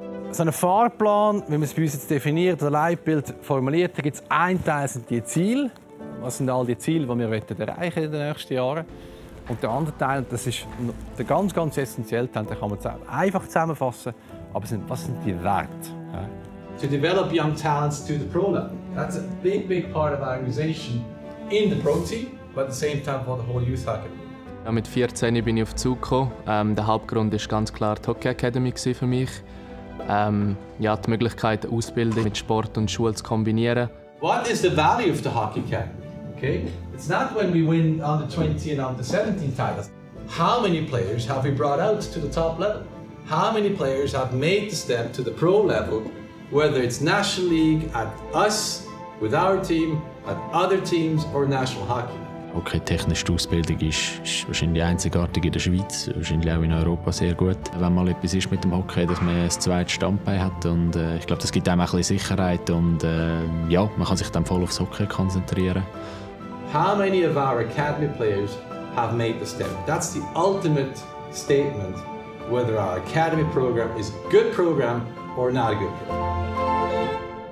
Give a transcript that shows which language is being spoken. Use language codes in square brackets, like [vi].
[de] So einen Fahrplan, wie man es bei uns jetzt definiert, oder Leitbild formuliert, da gibt es einen Teil, sind die Ziele. Was sind all die Ziele, die wir erreichen in den nächsten Jahren? Und der andere Teil, das ist der ganz, ganz essentielle Teil, den kann man einfach zusammenfassen. Aber was sind die Werte? [en] To develop young talents to the pro level. That's a big, big part of our organization in the pro team, but at the same time for the whole youth hockey. [de] Ja, mit 14 bin ich auf Zug gekommen. Der Hauptgrund war ganz klar die Hockey Academy für mich. Ja, die Möglichkeit, Ausbildung mit Sport und Schule zu kombinieren. [en] What is the value of the Hockey Academy? Okay? It's not when we win under 20 and under 17 titles. How many players have we brought out to the top level? How many players have made the step to the pro level, whether it's National League, at us, with our team, at other teams or National Hockey? [de] Okay, technische Ausbildung ist wahrscheinlich einzigartig in der Schweiz, wahrscheinlich auch in Europa sehr gut. Wenn mal etwas ist mit dem Hockey, dass man ein zweites Standbein hat. Und ich glaube, das gibt einem ein bisschen Sicherheit. Und ja, man kann sich dann voll aufs Hockey konzentrieren. [en] How many of our academy players have made the step? That's the ultimate statement, whether our academy program is a good program or not a good program.